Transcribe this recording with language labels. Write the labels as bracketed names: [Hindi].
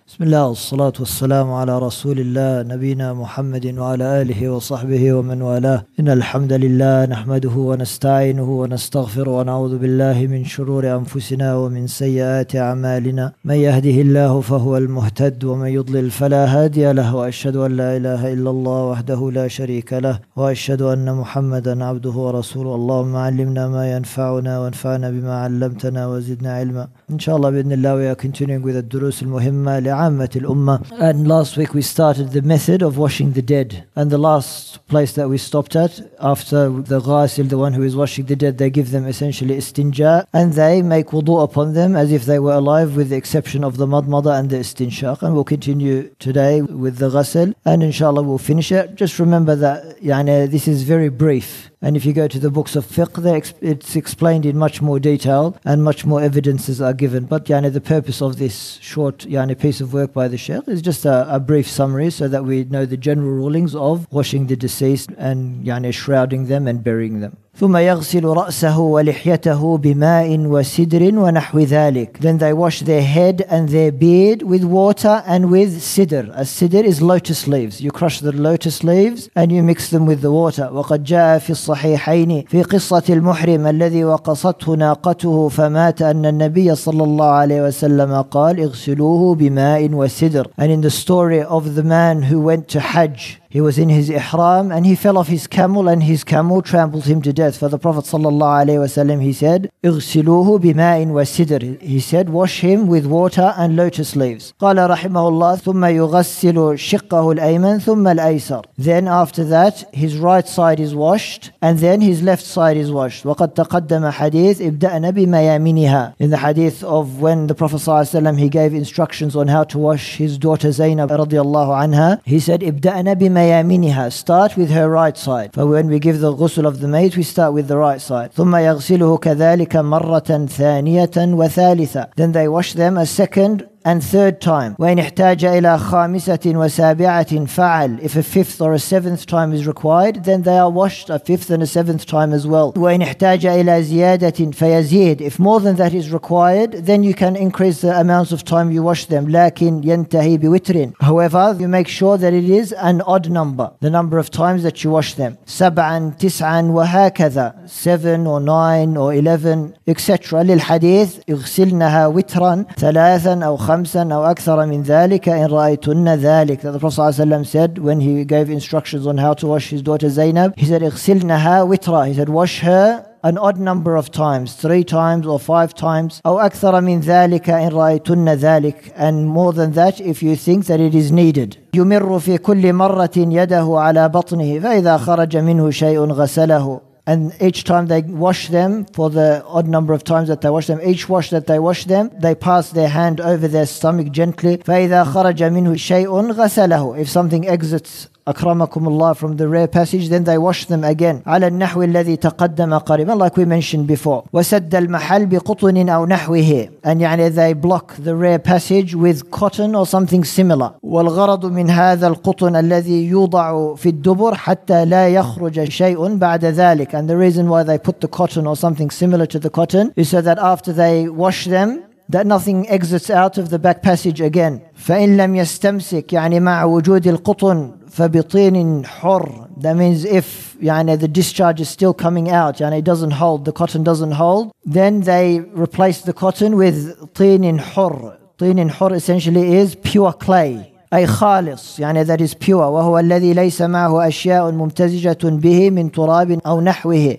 [Arabic] بسم الله الصلاة والسلام على رسول الله نبينا محمد وعلى آله وصحبه ومن والاه إن الحمد لله نحمده ونستعينه ونستغفر ونعوذ بالله من شرور أنفسنا ومن سيئات أعمالنا من يهده الله فهو المهتد ومن يضلل فلا هادي له وأشهد أن لا إله إلا الله وحده لا شريك له وأشهد أن محمدا عبده ورسوله اللهم علمنا ما ينفعنا وانفعنا بما علمتنا وزدنا علما إن شاء الله بإذن الله [English] we are continuing with the [Arabic] دروس المهمة [English] And last week we started the method of washing the dead. And the last place that we stopped at, after the ghasil, the one who is washing the dead, they give them essentially istinja, and they make wudu upon them as if they were alive, with the exception of the madmada and the istinshaq. And we'll continue today with the ghasil, and inshallah we'll finish it. Just remember that this is very brief. And if you go to the books of fiqh, it's explained in much more detail and much more evidences are given. But the purpose of this short piece of work by the Shaykh is just a brief summary so that we know the general rulings of washing the deceased and shrouding them and burying them. [Arabic] ثم يغسل رأسه ولحيته بماء وسدر ونحو ذلك. [English] Then they wash their head and their beard with water and with sidr. A sidr is lotus leaves. You crush the lotus leaves and you mix them with the water. [Arabic] وقد جاء في الصحيحين في قصة المحرم الذي وقصته ناقته فمات أن النبي صلى الله عليه وسلم قال اغسلوه بماء وسدر. [English] And in the story of the man who went to Hajj, he was in his ihram and he fell off his camel and his camel trampled him to death. For the Prophet sallallahu alaihi wasallam, he said, [Arabic] اغسلوه بماء وسدر. [English] He said, wash him with water and lotus leaves. [Arabic] قال رحمه الله ثم يغسل شقه الأيمن ثم الأيسر. [English] Then after that, his right side is washed and then his left side is washed. [Arabic] وقد تقدم حديث ابدأنا بميامينها. [English] In the hadith of when the Prophet sallallahu alaihi wasallam, he gave instructions on how to wash his daughter Zainab [Arabic] رضي الله عنها. [English] He said, [Arabic] ابدأنا بميامينها. [English] Start with her right side. For when we give the ghusl of the maid, we start with the right side. [Arabic] ثم يغسله كذلك مرة ثانية وثالثة. [English] Then they wash them a second and third time. [Arabic] وإن احتاج إلى خامسة وسابعة فعل. [English] If a fifth or a seventh time is required, then they are washed a fifth and a seventh time as well. [Arabic] وإن احتاج إلى زيادة فيزيد. [English] If more than that is required, then you can increase the amounts of time you wash them. [Arabic] لكن ينتهي بوتر. [English] However, you make sure that it is an odd number, the number of times that you wash them. [Arabic] سبعا تسعا وهكذا. [English] 7 or 9 or 11, etc. [Arabic] للحديث اغسلنها وترا ثلاثا أو خمسا أو أكثر من ذلك إن رأيتن ذلك. [English] That the Prophet ﷺ said when he gave instructions on how to wash his daughter Zainab, he said [Arabic] اغسلنها وترا. [English] He said wash her an odd number of times, 3 times or 5 times, [Arabic] أو أكثر من ذلك إن رأيتن ذلك, [English] and more than that if you think that it is needed. [Arabic] يمر في كل مرة يده على بطنه فإذا خرج منه شيء غسله. [English] And each time they wash them, for the odd number of times that they wash them, each wash that they wash them, they pass their hand over their stomach gently. [Arabic] فَإِذَا خَرَجَ مِنْهُ شَيْءٌ غَسَلَهُ. [English] If something exits [Arabic] أكرمكم الله [English] from the rare passage, then they wash them again. [Arabic] على النحو الذي تقدم قريبا, [English] like we mentioned before. [Arabic] وسد المحل بقطن أو نحوه. [English] And they block the rare passage with cotton or something similar. [Arabic] والغرض من هذا القطن الذي يوضع في الدبر حتى لا يخرج شيء بعد ذلك. [English] And the reason why they put the cotton or something similar to the cotton is so that after they wash them, that nothing exits out of the back passage again. [Arabic] فإن لم يستمسك مع وجود القطن فبطين حر. [English] That means if the discharge is still coming out, it doesn't hold, the cotton doesn't hold, then they replace the cotton with [Arabic] طين حر. طين حر [English] essentially is pure clay. [Arabic] أي خالص [English] that is pure. [Arabic] وهو الذي ليس معه أشياء ممتزجة به من تراب أو نحوه.